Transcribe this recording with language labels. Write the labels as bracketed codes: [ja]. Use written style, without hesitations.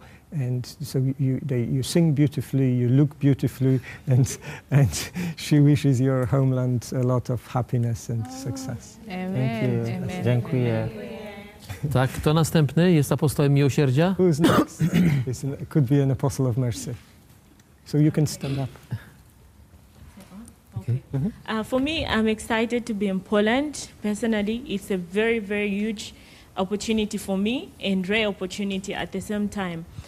[en] And so you sing beautifully, you look beautifully, and she wishes your homeland a lot of happiness and success. Amen. Thank you. Amen. [pl] Dziękuję. Tak, kto następny jest apostołem miłosierdzia? [en] Who's next? Could be an apostle of mercy. So you can stand up. Okay. Mm-hmm. For me, I'm excited to be in Poland. Personally, it's a very, very huge opportunity for me and rare opportunity at the same time.